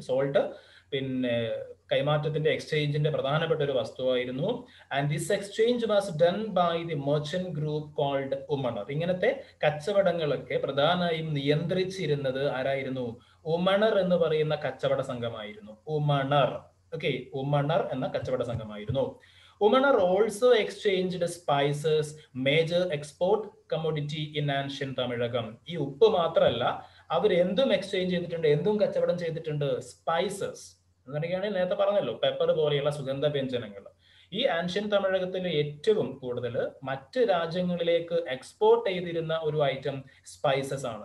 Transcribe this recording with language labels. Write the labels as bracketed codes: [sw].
[ml] Salt പിന്നെ കൈമാറ്റത്തിന്റെ, എക്സ്ചേഞ്ചിന്റെ പ്രധാനപ്പെട്ട ഒരു വസ്തുവായിരുന്നു. [en] And this exchange was done by the merchant group called Umanar. [ml] ഇങ്ങനത്തെ കച്ചവടങ്ങളൊക്കെ പ്രധാനമായും നിയന്ത്രിച്ചിരുന്നത് ആരായിരുന്നു? ഉമണർ എന്ന് പറയുന്ന കച്ചവട സംഘമായിരുന്നു. ഉമണർ, ഓക്കെ, ഉമണർ എന്ന കച്ചവട സംഘമായിരുന്നു. [en] Women are also exchanged spices, major export commodity in ancient Tamilakam. [ml] ഈ ഉപ്പ് മാത്രമല്ല അവർ എന്തും എക്സ്ചേഞ്ച് ചെയ്തിട്ടുണ്ട്, എന്തും കച്ചവടം ചെയ്തിട്ടുണ്ട്. സ്പൈസസ് എന്ന് പറയുകയാണെങ്കിൽ നേരത്തെ പറഞ്ഞല്ലോ പെപ്പർ പോലെയുള്ള സുഗന്ധ വ്യഞ്ജനങ്ങൾ. ഈ ആൻഷ്യൻ തമിഴകത്തിൽ ഏറ്റവും കൂടുതൽ മറ്റ് രാജ്യങ്ങളിലേക്ക് എക്സ്പോർട്ട് ചെയ്തിരുന്ന ഒരു ഐറ്റം സ്പൈസസ് ആണ്.